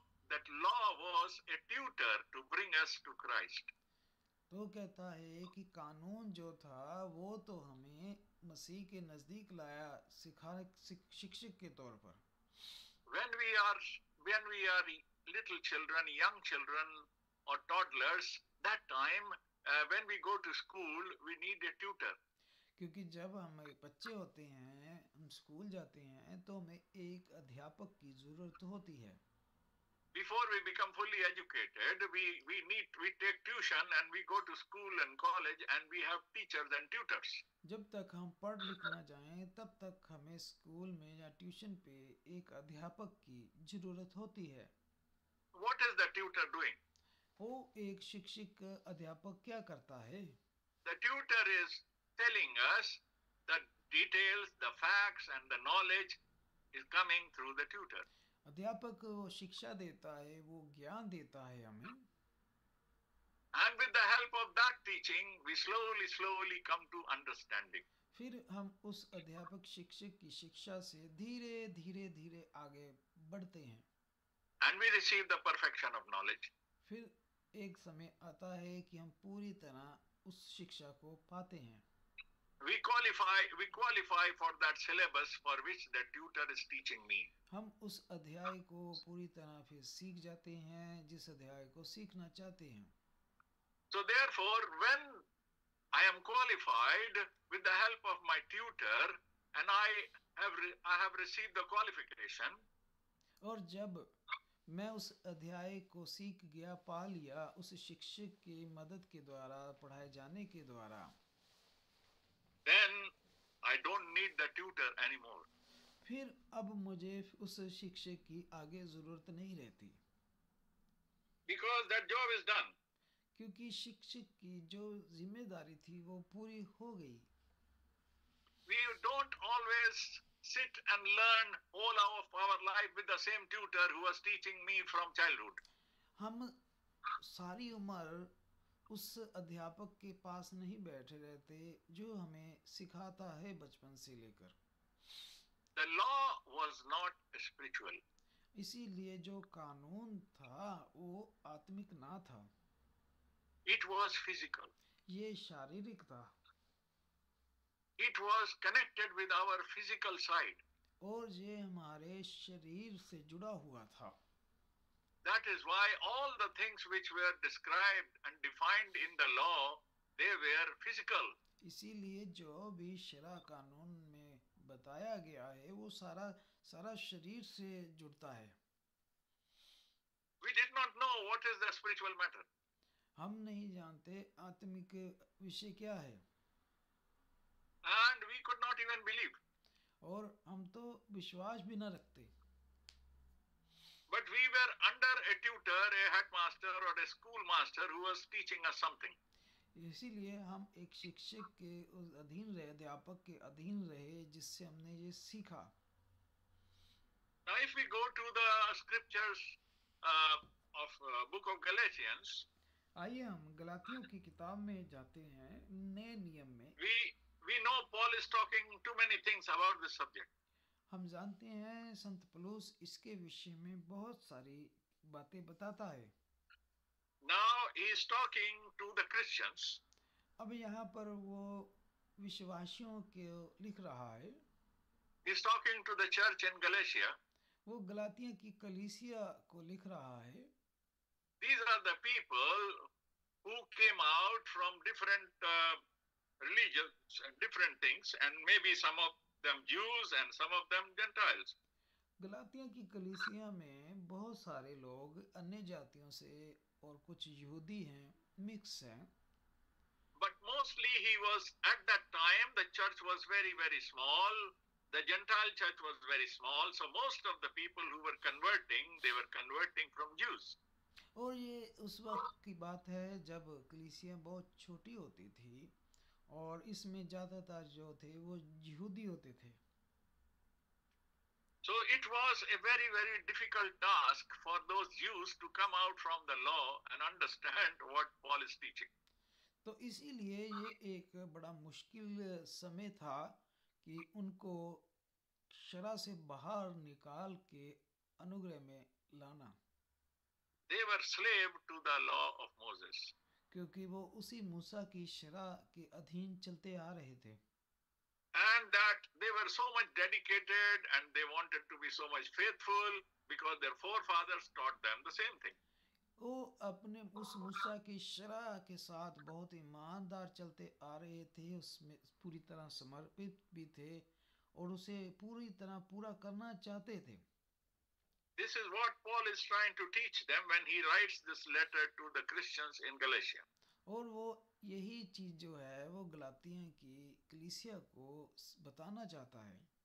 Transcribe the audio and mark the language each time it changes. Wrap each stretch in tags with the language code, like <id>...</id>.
<en>That law was a tutor to bring us to Christ.</en> <hi>तो कहता है कि कानून जो था वो तो हमें मसीह के नजदीक लाया सिखाने शिक्षक के तौर पर.</hi> <en>When we are little children, young children or toddlers, that time when we go to school, we need a tutor.</en> <hi>क्योंकि जब हम बच्चे होते हैं, हम स्कूल जाते हैं, तो हमें एक अध्यापक की जरूरत होती है.</hi> <en>Before we become fully educated, we take tuition and we go to school and college and we have teachers and tutors.</en> <hi>जब तक हम पढ़ लिखना जाएं, तब तक हमें स्कूल में या ट्यूशन पे एक अध्यापक की जरूरत होती है.</hi> <en>What is the tutor doing?</en> <hi>वो एक शिक्षक अध्यापक क्या करता है?</hi> <en>The tutor is telling us the details, the facts and the knowledge is coming through the tutor.</en> <hi>अध्यापक वो शिक्षा देता है, वो ज्ञान देता है हमें.</hi> <en>And with the help of that teaching, we slowly, slowly come to understanding.</en> <hi>फिर हम उस अध्यापक शिक्षक की शिक्षा से धीरे धीरे धीरे आगे बढ़ते हैं.</hi> <en>And we receive the perfection of knowledge.</en> <hi>फिर एक समय आता है कि हम पूरी तरह उस शिक्षा को पाते हैं.</hi> <en>We qualify for that syllabus for which the tutor is teaching me.</en> <hi>हम उस अध्याय को पूरी तरह फिर सीख जाते हैं जिस अध्याय को सीखना चाहते हैं.</hi> <en>So therefore, when I am qualified with the help of my tutor and I have received the qualification.</en> <hi>और जब मैं उस अध्याय को सीख गया, पा लिया उस शिक्षक की मदद के द्वारा, पढ़ाए जाने के द्वारा.</hi> <en>Then I don't need the tutor anymore.</en> <hi>फिर अब मुझे उस शिक्षक की आगे जरूरत नहीं रहती.</hi> <en>Because that job is done.</en> <hi>क्योंकि शिक्षक की जो जिम्मेदारी थी वो पूरी हो गई.</hi> <en>We don't always sit and learn all of our life with the same tutor who was teaching me from childhood.</en> <hi>हम सारी उम्र उस अध्यापक के पास नहीं बैठे रहते जो हमें सिखाता है बचपन से लेकर.</hi> <en>The law was not spiritual.</en> <hi>इसीलिए जो कानून था वो आत्मिक ना था.</hi> <en>It was physical.</en> <hi>ये शारीरिक था.</hi> <en>It was connected with our physical side.</en> <hi>और ये हमारे शरीर से जुड़ा हुआ था.</hi> <en>That is why all the things which were described and defined in the law, they were physical.</en> <hi>इसीलिए जो भी शरा कानून में बताया गया है वो सारा सारा शरीर से जुड़ता है.</hi> <en>We did not know what is the spiritual matter.</en> <hi>हम नहीं जानते आत्मिक विषय क्या है.</hi> <en>And we could not even believe.</en> <hi>और हम तो विश्वास भी ना रखते.</hi> <en>But we were under a tutor, a headmaster or a schoolmaster who was teaching us something.</en> <hi>इसीलिए हम एक शिक्षक के अधीन रहे, अध्यापक के अधीन रहे जिससे हमने ये सीखा.</hi> <en>Now if we go to the scriptures of book of Galatians.</en> <hi>आइए हम गलातियों की किताब में जाते हैं, नए नियम में.</hi> <en>We know Paul is talking too many things about this subject.</en> <hi>हम जानते हैं संत पौलुस इसके विषय में बहुत सारी बातें बताता है.</hi> <en>Now he is talking to the Christians.</en> <hi>अब यहाँ पर वो विश्वासियों के लिख रहा है.</hi> <en>He is talking to the church in Galatia.</en> <hi>वो गलातियों की कलीसिया को लिख रहा है.</hi> <en>These are the people who came out from different religions, different things, and maybe some of them Jews and some of them Gentiles.</en> <hi>गलातियों की कलीसिया में बहुत सारे लोग अन्य जातियों से और कुछ यहूदी हैं, मिक्स हैं.</hi> <en>But mostly he was at that time the church was very very small. The Gentile church was very small. So most of the people who were converting, they were converting from Jews.</en> <hi>और ये उस वक्त की बात है जब कलीसिया बहुत छोटी होती थी और इसमें ज्यादातर जो थे वो यहूदी होते थे.</hi> <en>So it was a very very difficult task for those Jews to come out from the law and understand what Paul is teaching.</en> <hi>तो इसीलिए ये एक बड़ा मुश्किल समय था कि उनको शरा से बाहर निकाल के अनुग्रह में लाना.</hi> <en>They were slave to the law of Moses.</en> <hi>क्योंकि वो उसी मूसा की शरा के अधीन चलते आ रहे थे</hi> <en>and that they were so much dedicated and they wanted to be so much faithful because their forefathers taught them the same thing.</en> <hi>वो अपने उस मूसा की शरा के साथ बहुत ईमानदार चलते आ रहे थे, उसमें पूरी तरह समर्पित भी थे और उसे पूरी तरह पूरा करना चाहते थे.</hi> <en>This is what Paul is trying to teach them when he writes this letter to the Christians in Galatia.</en> <hi>और वो यही चीज जो है वो गलातियों की कलीसिया को बताना चाहता है.</hi>